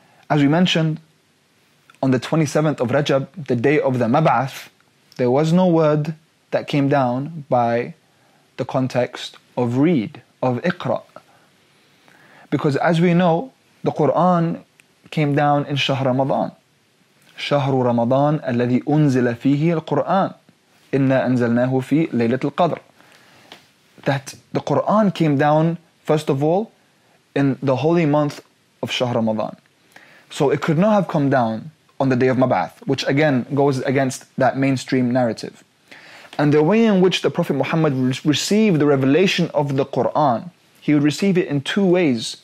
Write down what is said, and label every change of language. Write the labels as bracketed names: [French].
[English] As we mentioned, on the 27th of Rajab, the day of the Mab'ath, there was no word that came down by the context of read, of Iqra. Because as we know, the Qur'an came down in Shahr Ramadan. [Arabic] شهر رمضان الذي أنزل فيه القرآن إنا أنزلناه في ليلة القدر. [English] That the Quran came down, first of all, in the holy month of Shahr Ramadan. So it could not have come down on the day of Mab'ath, which again goes against that mainstream narrative. And the way in which the Prophet Muhammad received the revelation of the Quran, he would receive it in two ways.